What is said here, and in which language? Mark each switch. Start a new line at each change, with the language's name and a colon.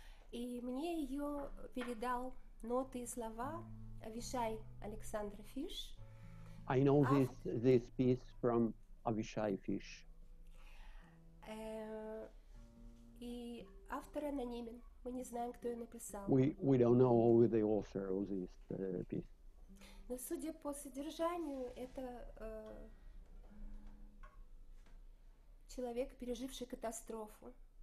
Russian: И мне ее передал ноты и слова Авишай Александр Фиш.
English: I know this piece from Avishai Fish.
Russian: И автор анонимен. Мы не знаем, кто ее написал.
English: We don't know who the author of this piece.
Russian: Но судя по содержанию, это человек, переживший катастрофу.